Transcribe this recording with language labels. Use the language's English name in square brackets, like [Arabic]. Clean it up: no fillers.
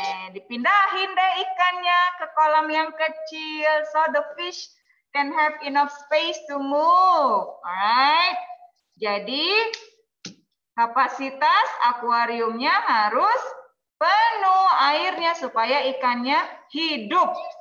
[Indonesian] Dipindahin deh ikannya ke kolam yang kecil. [English] So, the fish can have enough space to move. Alright. [Indonesian] Jadi, kapasitas akuariumnya harus penuh airnya supaya ikannya hidup.